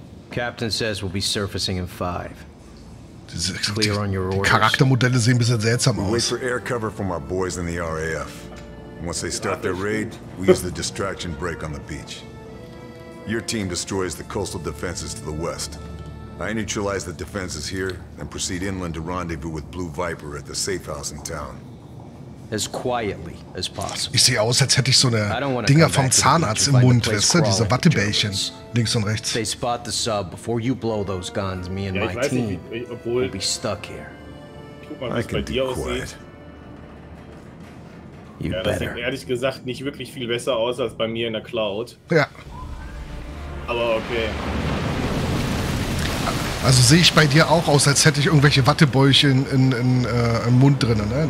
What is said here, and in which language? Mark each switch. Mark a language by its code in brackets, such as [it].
[en] Captain says we'll be surfacing in 5. [de] Die Charaktermodelle sehen ein bisschen seltsam aus. [en] Wait for air cover from our boys in the RAF. Once they start their raid, we use the distraction break on the beach. Your team destroys the coastal defenses to the west. I neutralize the defenses here and proceed inland to rendezvous with Blue Viper at the safe house in town. As quietly as possible. [de] Ich sehe aus, als hätte ich so eine Dinger vom Zahnarzt im Mund, weißt du, diese Wattebällchen links und rechts. [en] They spot the sub before you blow those guns, me and my team will be stuck here. I can be quiet. You better. [de] Ja, das sieht ehrlich gesagt nicht wirklich viel besser aus als bei mir in der Cloud. Ja. Aber okay. Also sehe ich bei dir auch aus, als hätte ich irgendwelche Wattebäuche im Mund drin, ne?